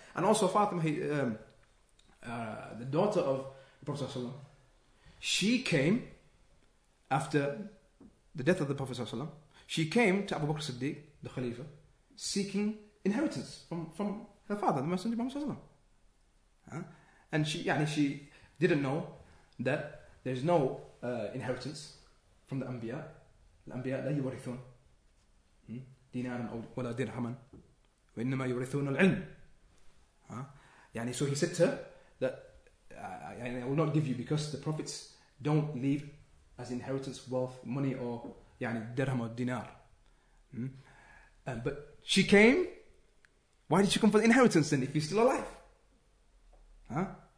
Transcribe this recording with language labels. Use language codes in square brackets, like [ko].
[en] And also Fatima, the daughter of the Prophet, she came after the death of the Prophet. She came to Abu Bakr Siddiq, the Khalifa, seeking inheritance from her father, the Messenger of Allah. And she didn't know that there's no inheritance from the Anbiya. [ar] The Anbiya لا يورثون دينارا ولا درهما وإنما يورثون العلم. [en] So he said to her that I will not give you because the prophets don't leave as inheritance wealth, money, or dirham or dinar. But she came. Why did she come for the inheritance then, if he's still alive?